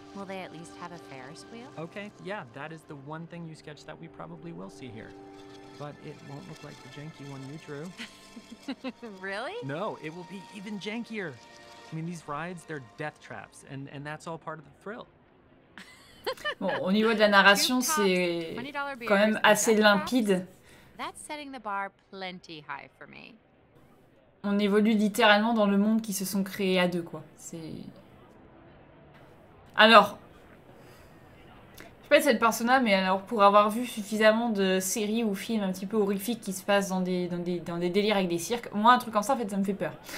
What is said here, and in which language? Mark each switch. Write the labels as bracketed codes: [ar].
[en] Will they at least have a Ferris wheel? Okay, yeah, that is the one thing you sketched that we probably will see here. But it won't look like the janky one you drew. Really? No, it will be even jankier. I mean, these rides, they're death traps, and that's all part of the thrill. [fr] Bon, au niveau de la narration, c'est quand même assez limpide. [en] That's setting the bar plenty high for me. [fr] On évolue littéralement dans le monde qui se sont créés à deux, quoi. C'est... Alors... Je sais pas si c'est le persona, mais alors pour avoir vu suffisamment de séries ou films un petit peu horrifiques qui se passent dans des délires avec des cirques, moi un truc comme ça en fait ça me fait peur.